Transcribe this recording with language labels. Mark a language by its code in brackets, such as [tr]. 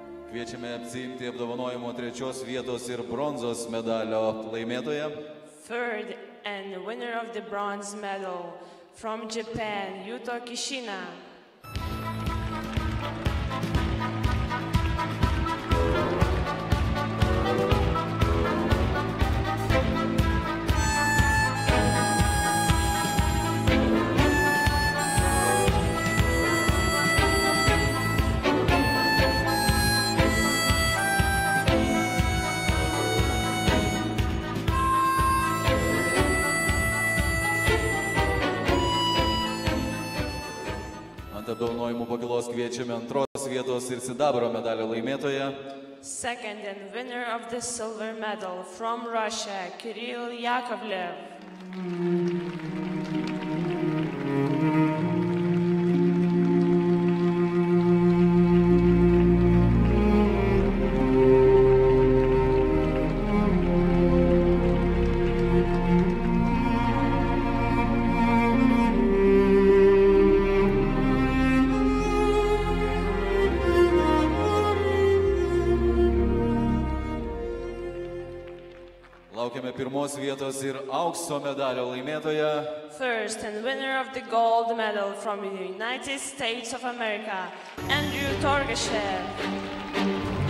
[lt] Kviečiame apsiimti apdovanojimo trečios vietos ir bronzos medalio laimėtoją. [en] Third and winner of the bronze medal from Japan, Yuto Kishina. [lt] Apdovanojimų pakylos kviečiame antros vietos ir sidabro medalio laimėtoją. [en] Second and winner of the silver medal from Russia, Kirill Yakovlev. [lt] Pirmos vietos ir aukso medalio laimėtoja. [en] First and winner of the gold medal from the United States of America, Andrew Torgashev.